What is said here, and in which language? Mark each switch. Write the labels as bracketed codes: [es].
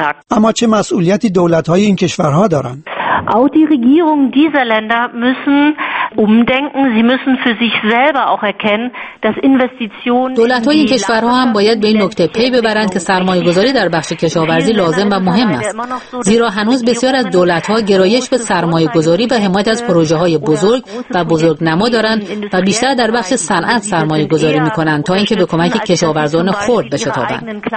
[fa] اما چه مسئولیتی دولت‌های این کشورها دارند؟ [de] Auch die Regierung dieser Länder müssen umdenken. Sie müssen für sich selber auch erkennen, dass Investitionen. [fa] دولت‌های این کشورها هم باید به این نکته پی ببرند که سرمایه‌گذاری در بخش کشاورزی لازم و مهم است. زیرا هنوز بسیار از دولت‌ها گرایش به سرمایه‌گذاری و حمایت از پروژه‌های بزرگ و بزرگنما دارند و بیشتر در بخش صنعت سرمایه‌گذاری می‌کنند تا اینکه به کمک کشاورزان خرد بشتابند.